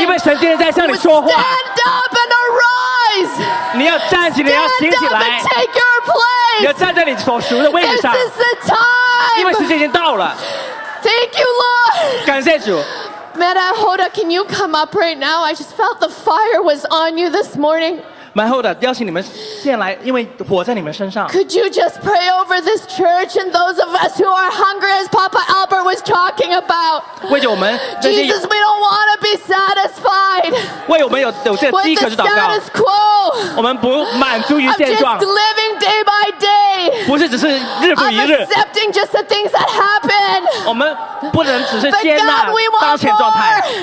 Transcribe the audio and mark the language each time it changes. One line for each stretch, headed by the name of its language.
Chinese: 因为神今天在向你说话。
English: Stand up and arise.
Chinese: 你要站起来，你要醒起来。
English: Take your place.
Chinese: 你要站在你所属的位置上。
English: This is the time.
Chinese: 因为时间已经到了。
English: Thank you, Lord.
Chinese: 感谢主。
English: Matt and Hoda, can you come up right now? I just felt the fire was on you this morning.
Chinese: Matt and Hoda, 邀请你们先来，因为火在你们身上。
English: Could you just pray over this church and those of us who are hungry, as Papa Albert was talking about?
Chinese: 为着我们。
English: Jesus, we don't want to be satisfied.
Chinese: 为我们有这个饥渴去祷告。
English: With the status quo.
Chinese: 我们不满足于现状。
English: I'm just living day by day.
Chinese: 不是只是日复一日。
English: I'm accepting just the things that happen.
Chinese: 我们不能只是接纳当前状态。